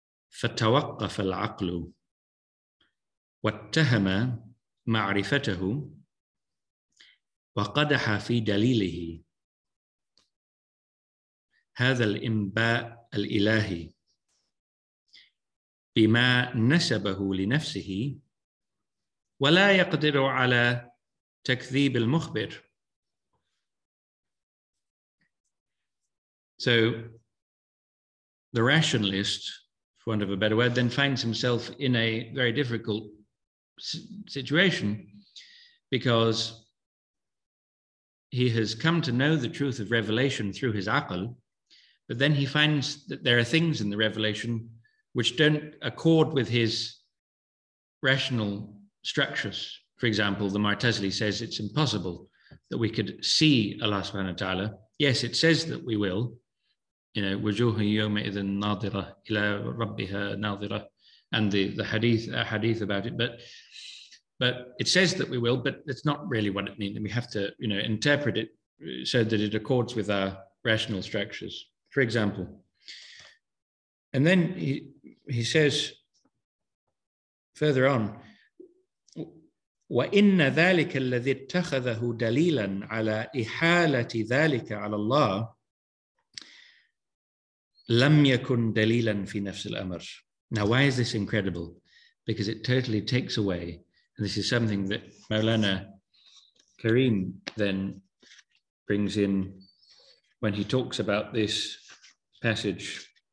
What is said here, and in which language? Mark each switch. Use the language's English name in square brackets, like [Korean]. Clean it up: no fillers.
[Arabic] فَتَوَقَّفَ الْعَقْلُ وَاتَّهَمَ مَعْرِفَتَهُ وَقَدَحَ فِي دَلِيلِهِ هذا الإنباء الإلهي بما نسبه لنفسه ولا يقدر على تكذيب المخبر. [English] So the rationalist, for want of a better word, then finds himself in a very difficult situation, because he has come to know the truth of revelation through his aql. But then he finds that there are things in the revelation which don't accord with his rational structures. For example, the Mu'tazili says it's impossible that we could see Allah subhanahu wa ta'ala. Yes, it says that we will. You know, [Arabic] wujuhun yawma'idhin nadhira ila rabbiha nadhira, [English] and the hadith about it. But it says that we will, but it's not really what it means. We have to, you know, interpret it so that it accords with our rational structures. For example, and then he says further on, [Arabic] وَإِنَّ ذَلِكَ الَّذِي اتَّخَذَهُ دَلِيلًا عَلَىٰ إِحَالَةِ ذَلِكَ عَلَىٰ اللَّهِ لَمْ يَكُنْ دَلِيلًا فِي نَفْسِ الْأَمْرِ. [English] Now, why is this incredible? Because it totally takes away, and this is something that Maulana Karim then brings in when he talks about this passage.